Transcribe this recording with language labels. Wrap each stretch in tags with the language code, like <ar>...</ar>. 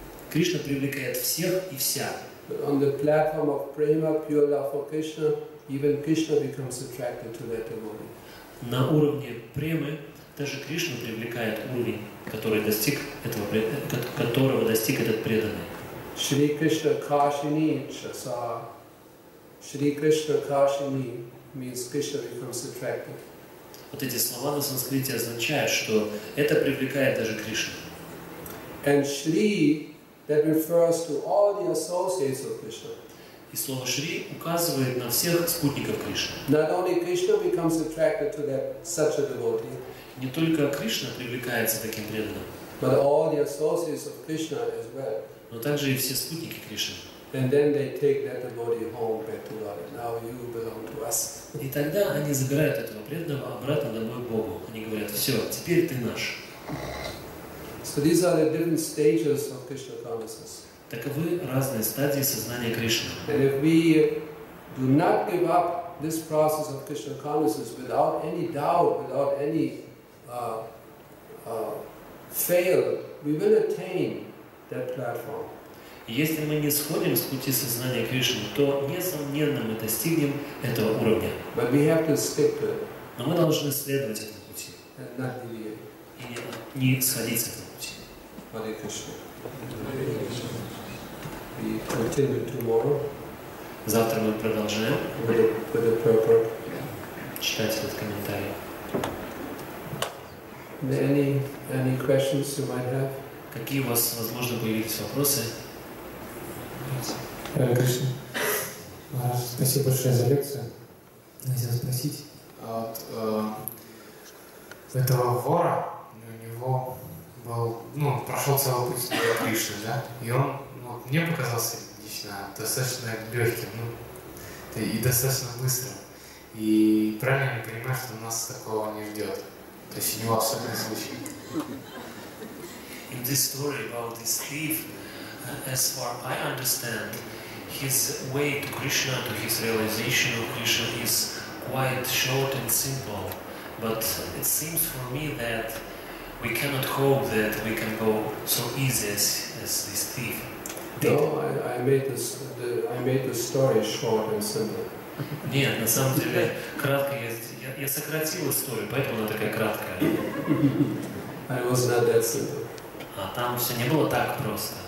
<ru>Кришна привлекает всех и вся.</ru> <en>But on the platform of prema, pure love for Krishna, even Krishna becomes attracted to that devotee.</en> <ru>На уровне премы даже Кришна привлекает уровень, который достиг этого, которого достиг этот преданный.</ru> <sa>Шри Кришна Кашини Часа. Шри Кришна Кашини</sa> <en>means Krishna becomes attracted.</en> <ru>Вот эти слова на санскрите означают, что это привлекает даже Кришну.</ru> <en>And Shri, that refers to all the associates of Krishna.</en> <ru>И слово Шри указывает на всех спутников Кришны.</ru> <en>Not only Krishna becomes attracted to that such a devotee.</en> <ru>Не только Кришна привлекается таким преданным.</ru> <en>But all the associates of Krishna as well.</en> <ru>Но также и все спутники Кришны.</ru> <en>And then they take that devotee home back to God. Now you belong to us.</en> <ru>И тогда они забирают этого преданного обратно домой к Богу. Они говорят: все, теперь ты наш.</ru> <en>So these are the different stages of Krishna consciousness.</en> <ru>Таковы разные стадии сознания Кришны.</ru> <en>And if we do not give up this process of Krishna consciousness without any doubt, without any fail, we will attain that platform.</en> <ru>Если мы не сходим с пути сознания Кришны, то несомненно мы достигнем этого уровня.</ru> <en>But we have to stick to it.</en> <ru>Но мы должны следовать этому пути.</ru> <en>And not deviate.</en> <ru>И не сходить с этого пути.</ru> <en>Hare Krishna. We continue tomorrow.</en> <ru>Завтра мы продолжаем.</ru> <en>With a purport.</en> <ru>Читать этот комментарий.</ru> <en>Any questions you might have?</en> <ru>Какие у вас, возможно, появились вопросы?</ru> <en>Hare Krishna.</en> <ru>Спасибо большое за лекцию. Хотел спросить. От этого вора, у него был, ну, прошел целый путь до Кришны, да? И он, ну, мне показался лично достаточно легким, ну, и достаточно быстрым. И правильно я понимаю, что нас такого не ждет. То есть у него особенный случай.</ru> <en>In this story about this thief, as far I understand, his way to Krishna, to his realization of Krishna, is quite short and simple. But it seems for me that we cannot hope that we can go so easy as this thief did. No, I made the story short and simple.</en> <ru>Нет, на самом деле кратко я сократил историю, поэтому она такая краткая.</ru> <en>I was not that simple.</en> <ru>А там все не было так просто.</ru>